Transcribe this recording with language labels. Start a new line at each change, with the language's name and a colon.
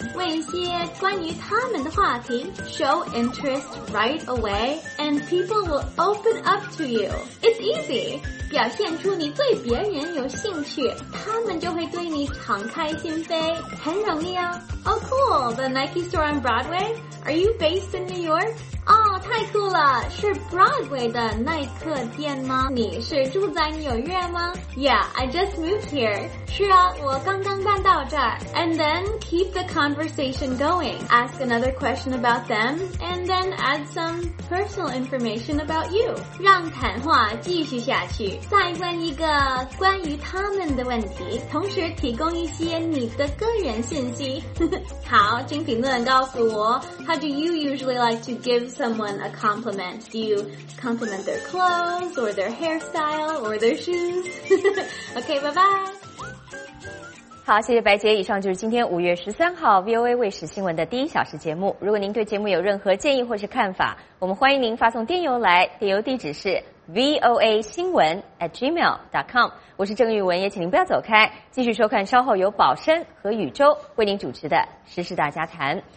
Chinese: 问一些关于他们的话题。
English: Show interest right away, and people will open up to you. It's easy.
Chinese: 表现出你对别人有兴趣，他们就会对你敞开心扉，很容易哦。
English: Oh, cool. The Nike store on Broadway? Are you based in New York?
Chinese: 哦，太酷了，是 Broadway 的耐克店吗？你是住在纽约吗？
English: Yeah, I just moved here.
Chinese: 是啊，我刚刚搬到这儿。
English: And then keep the conversation going. Ask another question about them, and then add some personal information about you.
Chinese: 让谈话继续下去，再问一个关于他们的问题，同时提供一些你的个人信息。好，请评论告诉我，
English: How do you usually like to giveSomeone a compliment? Do you compliment their clothes or their hairstyle or their shoes? Okay, bye bye.
Chinese: 好，谢谢白洁。以上就是今天5月13号 VOA 卫视新闻的第一小时节目。如果您对节目有任何建议或是看法，我们欢迎您发送电邮来，电邮地址是 voasinwen@gmail.com。我是郑玉文，也请您不要走开，继续收看稍后由宝生和宇宙为您主持的《时事大家谈》。